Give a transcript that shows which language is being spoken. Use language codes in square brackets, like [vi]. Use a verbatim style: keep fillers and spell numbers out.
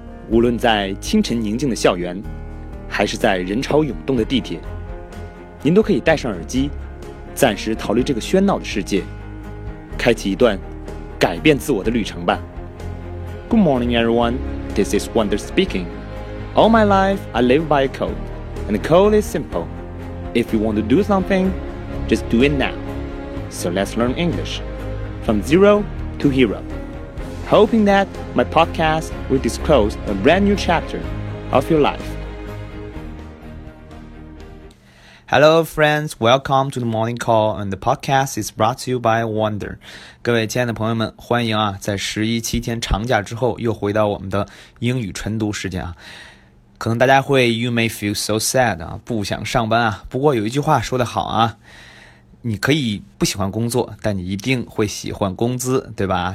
[zh] 无论在清晨宁静的校园，还是在人潮涌动的地铁，您都可以戴上耳机，暂时逃离这个喧闹的世界，开启一段改变自我的旅程吧。 [en] Good morning, everyone. This is Wonder speaking. All my life, I live by a code, and the code is simple. If you want to do something, just do it now. So let's learn English from zero to hero. Hoping that my podcast will disclose a brand new chapter of your life. Hello, friends. Welcome to the morning call, and the podcast is brought to you by Wonder. [zh] 各位亲爱的朋友们，欢迎啊，在十一七天长假之后，又回到我们的英语晨读时间啊。可能大家会 [en] you may feel so sad [zh] 啊，不想上班啊。不过有一句话说得好啊。你可以不喜欢工作，但你一定会喜欢工资，对吧？